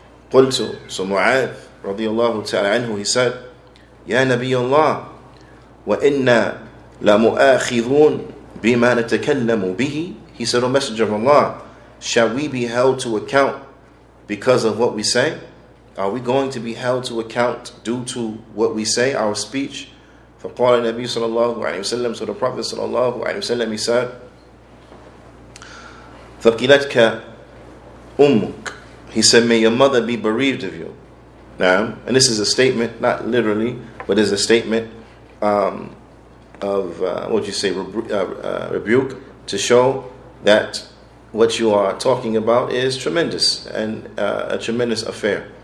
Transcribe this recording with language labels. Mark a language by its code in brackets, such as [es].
[ar] قُلْتُ [en] So Mu'adh radiallahu ta'ala anhu, he said, Ya Nabi Allah, [ar] وَإِنَّا لَمُؤَاخِذُونَ بِمَا نَتَكَلَّمُ بِهِ [en] He said, O Messenger of Allah, shall we be held to account because of what we say? Are we going to be held to account due to what we say, our speech? [ar] فَقَالَ النَّبِيُّ صَلَى اللَّهُ عَلَيْهِ وَسَلَّمُ [en] So the Prophet صلى الله عليه وسلم, he said, [ar] فقيلتك أمك. [en] He said, may your mother be bereaved of you. Now, and this is a statement, not literally, but is a statement rebuke, to show that what you are talking about is tremendous, and a tremendous affair.